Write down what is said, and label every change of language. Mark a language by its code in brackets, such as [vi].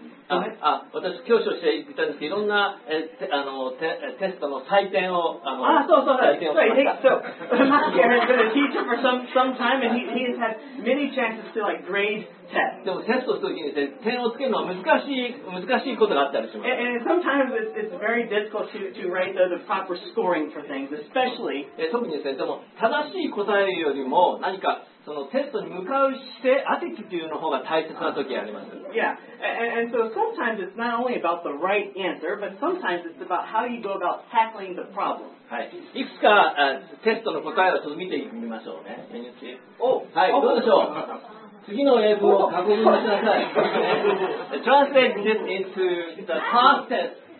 [ja] あ、私、教師をしていたんですけど、いろんな、あの、テストの採点を、あの、あ、そうそう、採点をしました。 [en] So, he has been a teacher for some time, and he has had many chances to, like, grade tests. [ja] でも、テストするときに、点をつけるのは難しいことがあったりします。 [en] And sometimes it's very difficult to write the proper scoring for things, especially. [ja] 特にですね、でも、正しい答えよりも、何か、そのテストに向かう姿勢、アティチュードの方が大切な時があります。 [en] Yeah, and so sometimes it's not only about the right answer, but sometimes it's about how you go about tackling the problem. [ja] はい。いくつか、テストの答えをちょっと見てみましょうね。 [en] Can you see? Oh! [ja] はい、どうでしょう次の英文を確認しなさい。 [en] Translate this into the past test.